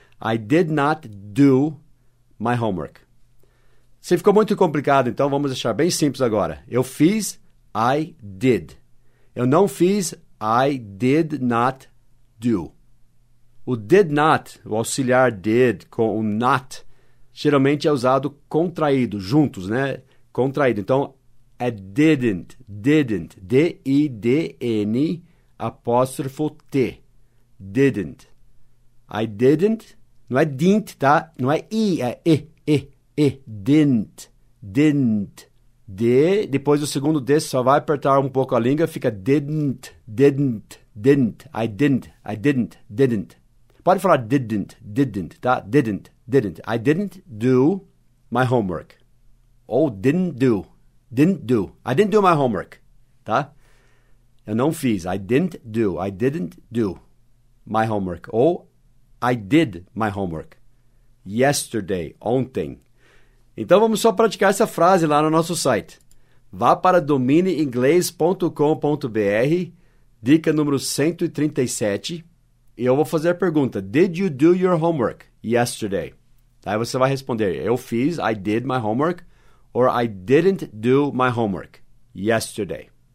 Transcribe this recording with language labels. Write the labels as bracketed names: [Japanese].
[English] I did not do my homework. [Portuguese] Se ficou muito complicado, então vamos deixar bem simples agora. Eu fiz. [English] I did. [Portuguese] Eu não fiz, [English] I did not do. [Portuguese] O did not, o auxiliar did com o not, geralmente é usado contraído, juntos, né? Contraído. Então, é didn't, didn't, D-I-D-N, apóstrofo T, didn't. I didn't, não é didn't, tá? Não é I, é E, didn't, didn't. D, depois o segundo D, só vai apertar um pouco a língua, fica [English] didn't, didn't, didn't, I didn't, I didn't, didn't. [Portuguese] Pode falar [English] didn't, didn't, tá? Didn't, didn't. I didn't do my homework. ou didn't do. I didn't do my homework, tá? [Portuguese] Eu não fiz. [English] I didn't do my homework. Ou I did my homework yesterday, [Portuguese] ontem. Então vamos só praticar essa frase lá no nosso site. Vá para domineinglês.com.br, dica número 137, e eu vou fazer a pergunta: [English] Did you do your homework yesterday? [Portuguese] Aí você vai responder: Eu fiz, [English] I did my homework, or I didn't do my homework yesterday.